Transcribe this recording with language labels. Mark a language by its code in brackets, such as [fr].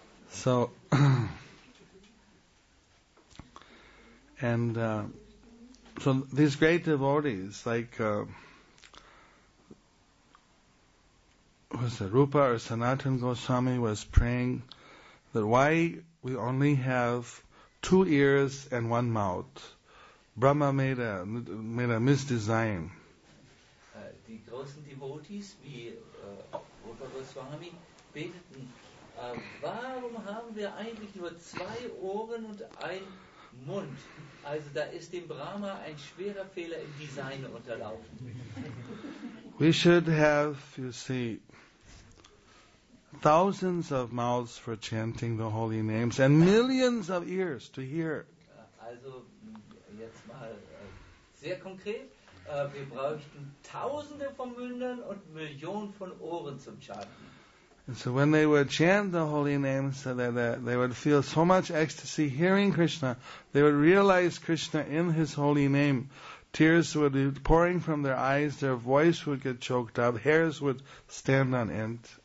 [en] So, and so these great devotees, like Rupa or Sanatan Goswami was praying that why we only have two ears and one mouth. Brahma made a misdesign. [de] Die großen Devotees wie Rupa Goswami beteten, warum haben wir eigentlich nur zwei Ohren und ein Mund? Also da ist dem Brahma ein schwerer Fehler im Design unterlaufen. [en] We should have, you see, thousands of mouths for chanting the holy names and millions of ears to hear. [de] Also jetzt mal sehr konkret, wir bräuchten tausende von Mündern und Millionen von Ohren zum Chanten. [en] And so when they would chant the holy names, so they would feel so much ecstasy hearing Krishna. They would realize Krishna in his holy name. Tears would be pouring from their eyes, their voice would get choked up, hairs would stand on end.